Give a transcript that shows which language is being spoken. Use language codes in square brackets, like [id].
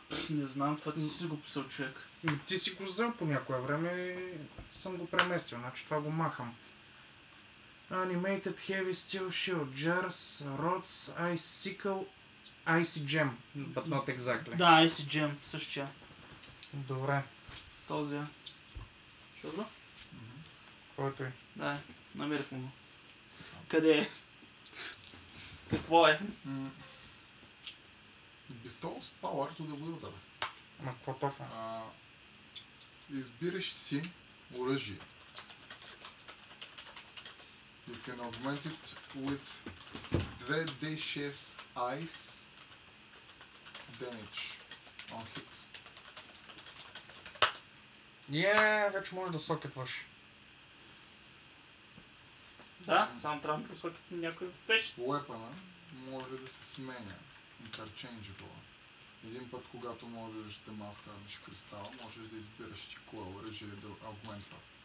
[bg] Не знам, това ти си го писал, човек. Ти си го взел по някое време и съм го преместил, значи това го махам. [en] Animated Heavy Steel Shield, Jars, Rods, Icicle, Icy Gem, but not exactly. [bg] Да, Icy Gem, същия. Добре. Този е. Чудо? Кой е той? Да, намирахме го. Къде е? Какво е? Бестол с Power to the Wielder. Ама какво точно? Избираш си оръжие. [en] You can augment it with 2D6 Ice Damage on hit. [bg] Вече можеш да сокетваш. Да, само трябва да сокет на някой вещ. Weapon-а може да се сменя. Interchangeable. Един път, когато можеш да мастърнеш кристала, можеш да избираш ти кое оръжие да аугментва.